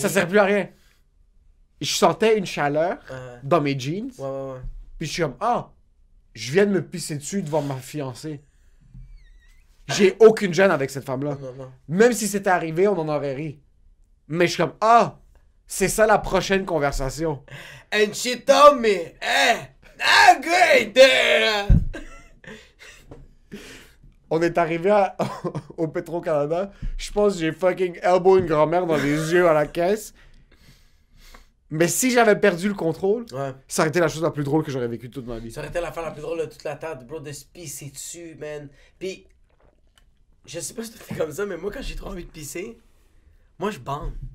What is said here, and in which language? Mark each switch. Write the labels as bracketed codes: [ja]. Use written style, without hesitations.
[fr] Ça sert plus à rien. Je sentais une chaleur, ouais, dans mes jeans. Ouais, ouais, ouais. Puis je suis comme, ah, oh, je viens de me pisser dessus devant ma fiancée. J'ai aucune gêne avec cette femme-là. Non, non. Même si c'était arrivé, on en aurait ri. Mais je suis comme, ah, oh, c'est ça la prochaine conversation. [en] And she told me, hey, not great there. [fr] On est arrivé au Petro-Canada. Je pense que j'ai [en] fucking elbow [fr] une grand-mère dans les yeux à la caisse. Mais si j'avais perdu le contrôle, ouais, ça aurait été la chose la plus drôle que j'aurais vécu toute ma vie. Ça aurait été l'affaire la plus drôle de toute la terre, bro, de se pisser dessus, man. Puis, je sais pas si tu fais comme ça, mais moi, quand j'ai trop envie de pisser, moi, je bande.